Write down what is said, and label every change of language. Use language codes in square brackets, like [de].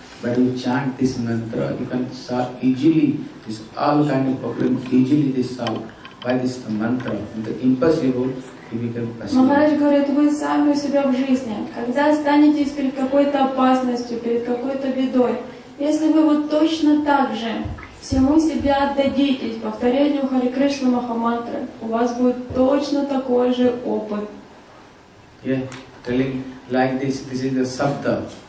[en] But you chant this mantra, you can solve easily. This all kind of problem easily this solved by this mantra. The impossible become possible. [ru] Махарадж говорит, вы сами у себя в жизни, когда останетесь перед какой-то опасностью, перед какой-то бедой, если вы вот точно так же всему себя отдадитесь повторению Хари Кришна Махамантры, у вас будет точно такой же опыт. [en] Yeah, telling like this, this is the sabda.